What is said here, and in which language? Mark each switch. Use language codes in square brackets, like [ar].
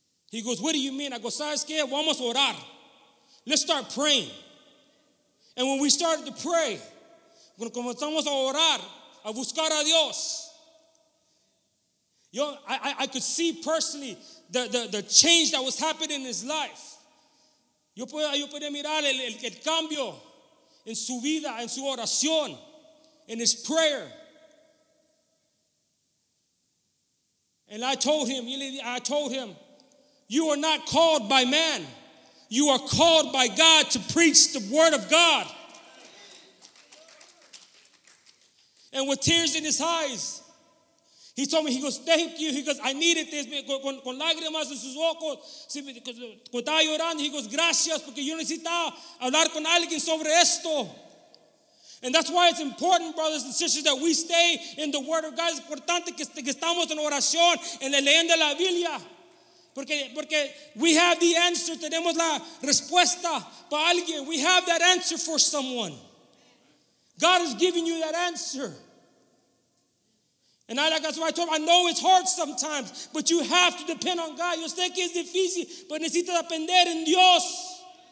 [en] He goes, what do you mean? I go, [es] ¿sabes qué? Vamos a orar. [en] Let's start praying. And when we started to pray, [es] cuando comenzamos a orar, a buscar a Dios, yo, [en] I could see personally the change that was happening in his life. [es] Yo podía mirar el cambio en su vida, en su oración, [en] in his prayer. And I told him, you are not called by man. You are called by God to preach the word of God. And with tears in his eyes, he told me, he goes, thank you. He goes, I needed this. [es] Con lágrimas en sus ojos, cuando estaba llorando, [en] he goes, [es] gracias, porque yo necesitaba hablar con alguien sobre esto. [en] And that's why it's important, brothers and sisters, that we stay in the word of God. [es] Es importante que estamos en oración, en la leyenda de la Biblia. Porque [en] we have the answer. [es] Tenemos la respuesta para alguien. [en] We have that answer for someone. God has given you that answer. And that's why I told him, I know it's hard sometimes, but you have to depend on God. [es] Yo sé que es difícil, pero necesitas depender en Dios.